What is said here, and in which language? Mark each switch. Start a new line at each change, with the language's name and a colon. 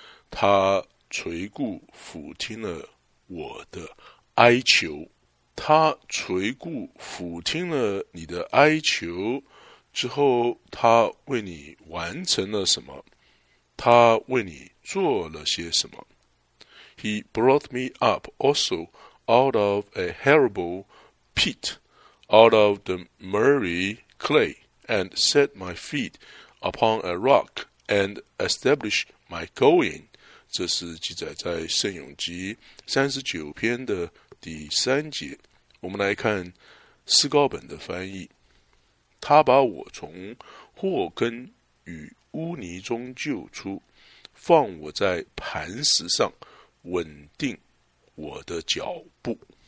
Chinese: 他垂顾俯听了我的哀求。他垂顾俯听了你的哀求之后，他为你完成了什么？他为你做了些什么？
English: He brought me up also out of a horrible pit, out of the miry clay, and set my feet upon a rock, and established my going.
Chinese: 这是记载在圣咏集39篇的第3节。我们来看斯高本的翻译。他把我从祸根与污泥中救出，放我在磐石上，稳定我的脚步。